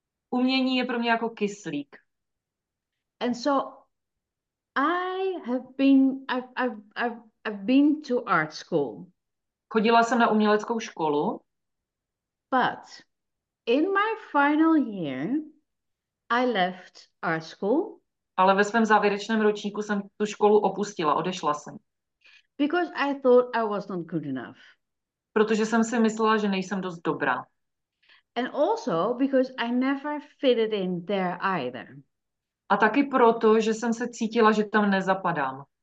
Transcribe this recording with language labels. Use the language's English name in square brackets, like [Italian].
[Czech] Umění je pro mě jako kyslík. [English] And so I've been to art school. [Czech] Chodila jsem na uměleckou školu. [English] But in my final year I left art school. [Czech] Ale ve svém závěrečném ročníku jsem tu školu opustila, odešla jsem. [English] Because I thought I was not good enough. [Czech] Protože jsem si myslela, že nejsem dost dobrá. [English] And also because I never fitted in there either. [Czech] A taky proto, že jsem se cítila, že tam nezapadám.